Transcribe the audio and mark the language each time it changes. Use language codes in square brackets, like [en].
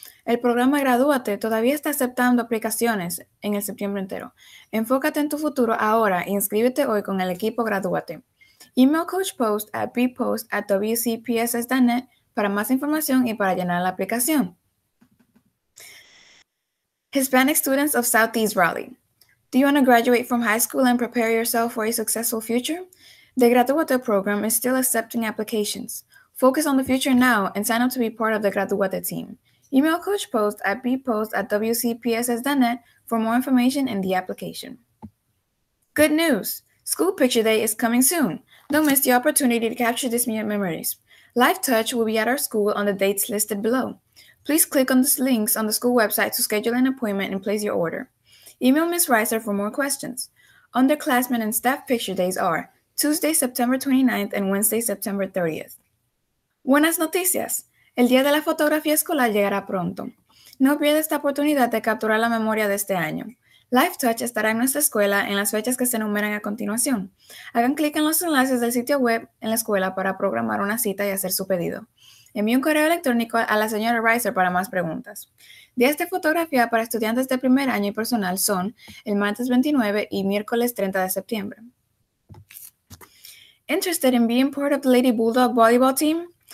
[es] El programa Gradúate todavía está aceptando aplicaciones en el septiembre entero. Enfócate en tu futuro ahora y inscríbete hoy con el equipo Gradúate. [en] Email Coach Post at [es] bpost@wcpss.net para más información y para llenar la aplicación. [en] Hispanic students of Southeast Raleigh, do you want to graduate from high school and prepare yourself for a successful future? The Gradúate program is still accepting applications. Focus on the future now and sign up to be part of the Gradúate team. Email Coach Post at bpost@wcpss.net for more information and the application. Good news! School Picture Day is coming soon. Don't miss the opportunity to capture these memories. Live Touch will be at our school on the dates listed below. Please click on the links on the school website to schedule an appointment and place your order. Email Ms. Reiser for more questions. Underclassmen and staff picture days are Tuesday, September 29th and Wednesday, September 30th. [es] Buenas noticias! El día de la fotografía escolar llegará pronto. No pierdas esta oportunidad de capturar la memoria de este año. Live Touch estará en nuestra escuela en las fechas que se enumeran a continuación. Hagan clic en los enlaces del sitio web en la escuela para programar una cita y hacer su pedido. Envíe un correo electrónico a la señora Reiser para más preguntas. Días de fotografía para estudiantes de primer año y personal son el martes 29 y miércoles 30 de septiembre. [en] Interested in being part of the Lady Bulldog Volleyball Team?